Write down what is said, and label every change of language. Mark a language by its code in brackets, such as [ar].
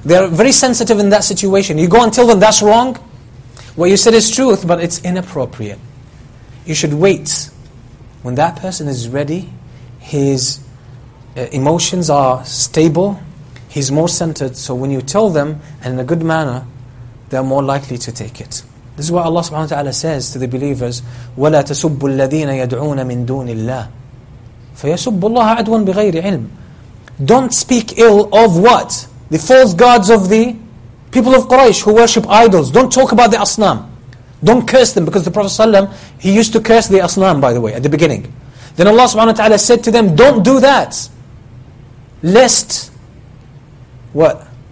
[en] They are very sensitive in that situation. You go and tell them that's wrong. What you said is truth, but it's inappropriate. You should wait. When that person is ready, his emotions are stable, he's more centered, so when you tell them, and in a good manner, they're more likely to take it. This is what Allah subhanahu wa ta'ala says to the believers, [ar] وَلَا تَسُبُّ الَّذِينَ يَدْعُونَ مِن دُونِ اللَّهِ فَيَسُبُّ اللَّهَ عَدْوًا بِغَيْرِ عِلْمٍ. [en] don't speak ill of what? The false gods of the people of Quraysh who worship idols. Don't talk about the Asnam. Don't curse them, because the Prophet ﷺ, he used to curse the Asnam, by the way, at the beginning. Then Allah subhanahu wa ta'ala said to them, don't do that. Lest, what?